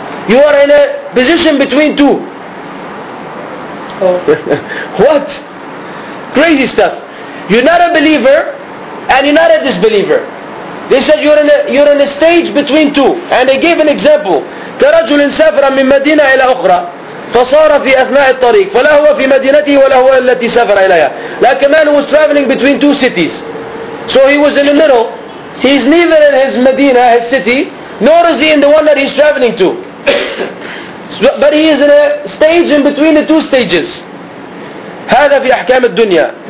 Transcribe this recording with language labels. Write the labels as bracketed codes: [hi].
[en] You are in a position between two. Oh. What? Crazy stuff. You're not a believer, and you're not a disbeliever. They said you're in a stage between two. And they gave an example. [ar] كرجل سافر من مدينة إلى أخرى فصار في أثناء الطريق فلا هو في مدينته ولا هو التي سافر إليها. [en] Like a man who was traveling between two cities. So he was in the middle. He's neither in his Medina, his city, nor is he in the one that he's traveling to. But he is in a stage in between the two stages. [ar] هذا في أحكام الدنيا.